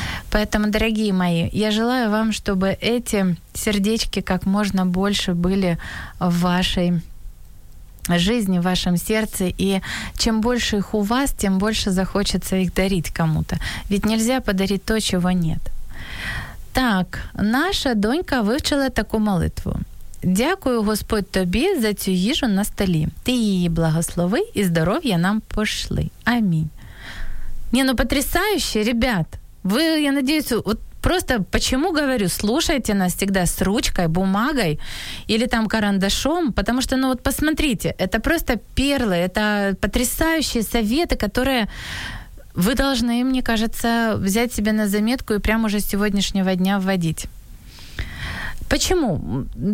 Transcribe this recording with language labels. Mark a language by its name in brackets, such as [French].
[Russian] Поэтому, дорогие мои, я желаю вам, чтобы эти сердечки как можно больше были в вашей жизни, в вашем сердце. И чем больше их у вас, тем больше захочется их дарить кому-то. Ведь нельзя подарить то, чего нет. [Ukrainian] Так, наша донька вивчила таку молитву. Дякую, Господь, тобі за цю їжу на столі. Ти її благослови і здоров'я нам пошли. [Russian] Амінь. Не, ну потрясающе, ребят. [Ukrainian] Ви, я надіюсь, от просто, [Russian] почему говорю, слушайте нас всегда с ручкой, бумагой или там карандашом, потому что, ну вот посмотрите, это просто перлы, это потрясающие советы, которые... Вы должны, мне кажется, взять себе на заметку и прямо уже с сегодняшнего дня вводить. Почему?